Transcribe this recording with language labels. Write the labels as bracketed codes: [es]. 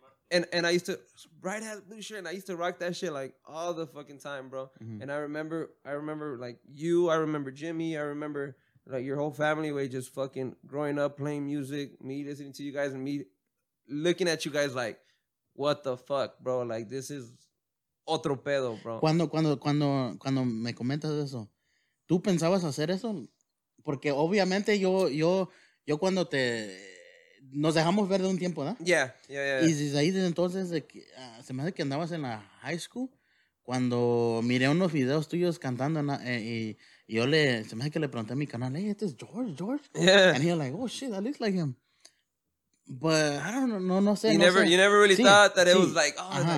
[en] And I used to bright ass blue shirt and I used to rock that shit like all the fucking time, bro. Mm-hmm. And I remember like you, I remember Jimmy, I remember like your whole family way just fucking growing up playing music, me listening to you guys and me looking at you guys like, what the fuck, bro? Like this is [es] otro pedo, [en] bro. [es] Cuando me comentas eso, ¿tú pensabas hacer eso? Porque obviamente yo cuando te... Nos dejamos ver de un tiempo, ¿no? [en] Yeah. [es] Y desde ahí, desde entonces, se me hace que andabas en la high school, cuando miré unos videos tuyos cantando, se me hace que le pregunté a mi canal, hey, este es George. [en] Yeah. And he was like, oh, shit, that looks like him. But I don't know, [es] no sé. [en] You never really thought that it was like, oh, uh-huh.